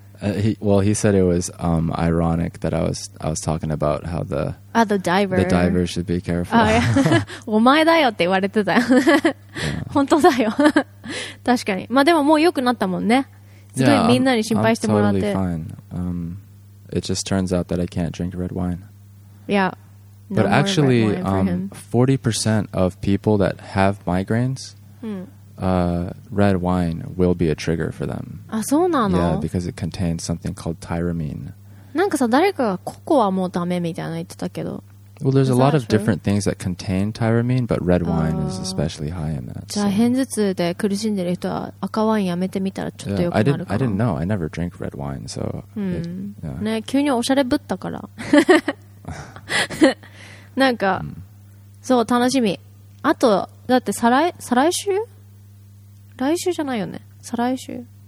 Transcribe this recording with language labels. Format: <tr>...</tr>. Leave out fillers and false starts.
<en>He said it was ironic that I was talking about how the the diver should be careful.</en> <ja>あ、いや、お前だよって言われてた。 yeah. 本当だよ。確かに。まあでももう良くなったもんね。すごいみんなに心配してもらって。</ja> <en>Yeah, I'm totally fine. It just turns out that I can't drink red wine. Yeah. No, but actually, 40% of people that have migraines, red wine will be a trigger for them.</en> <ja>あ、そうなの?</ja> <en>Yeah, because it contains something called tyramine.</en> <ja>なんかさ、誰かがココアもうダメみたいなの言ってたけど。</ja> <en>Well, there's a lot of different things that contain tyramine, but red wine is especially high in that.</en> <ja>じゃあ、偏頭痛で苦しんでる人は赤ワインやめてみたらちょっと良くなるかな?</ja> <en>I didn't know. I never drink red wine, so...</en> <ja>ね、急におしゃれぶったから。なんか、そう、楽しみ。あと、だって再来週?来週じゃないよね。再来週。</ja>